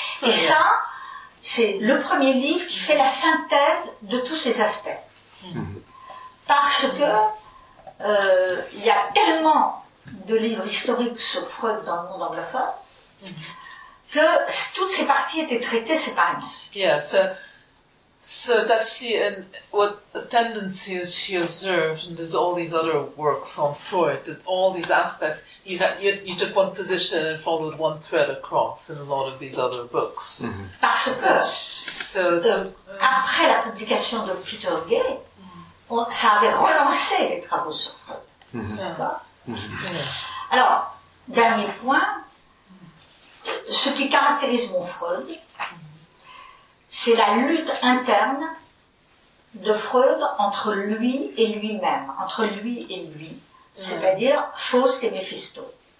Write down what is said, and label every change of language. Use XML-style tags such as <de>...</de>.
<fr>Et ça, c'est le premier livre qui fait la synthèse de tous ces aspects. Mm-hmm. Parce que il y a tellement de livres historiques sur Freud dans le monde anglophone que toutes ces parties étaient traitées séparément.</fr> <en>Yeah, so it's actually a tendency that she observed, and there's all these other works on Freud, that all these aspects, you took one position and followed one thread across in a lot of these other books. Mm-hmm.</en> <fr>Parce que, après la publication de Peter Gay, ça avait relancé les travaux sur Freud. Mm-hmm. Mm-hmm. Alors, dernier point, ce qui caractérise mon Freud, c'est la lutte interne de Freud entre lui et lui-même, entre lui et lui, c'est-à-dire Faust et Mephisto.</fr>